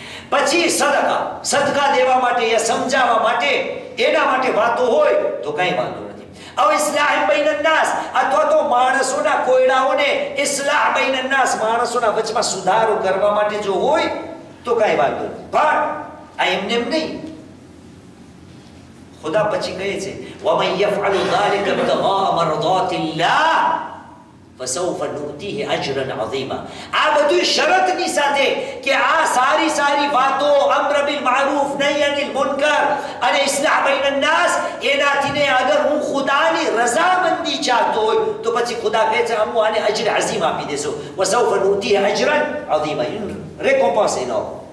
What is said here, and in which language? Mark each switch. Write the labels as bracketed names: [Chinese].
[Gujarati] પછી સદકા, સદકા દેવા માટે યા સમજાવવા માટે એના માટે વાતો હોય તો કઈ વાંધો નથી. હવે ઇસ્લાહ બૈનન્નાસ, અથવા તો માણસોના કોયડાઓને ઇસ્લાહ બૈનન્નાસ, માણસોના વચમાં સુધારો કરવા માટે જો હોય તો કઈ વાંધો નથી. પણ આ એમને એમ નહીં, ખુદા પછી કહે છે [Arabic] وَمَنْ يَفْعَلُ ذَلِكَ ابْتِغَاءَ مَرْضَاتِ اللَّهِ فَسَوْفَ نُؤْتِيهِ أَجْرًا عَظِيمًا. [Gujarati] આ બધી શરતની સાથે કે આ સારી સારી વાતો, અમર બિલ મારૂફ નહીં અનિલ મુનકર અને ઇસ્લાહ બૈન અન્નાસ, એનાથી ને અગર હું ખુદાની રઝામંદી ચાહતો હોય તો પછી ખુદા કહે છે હું આને અજર અઝીમ આપી દેશો, [Arabic] وَسَوْفَ نُؤْتِيهِ أَجْرًا عَظِيمًا, [Gujarati] રેકોમ્પન્સ એનો.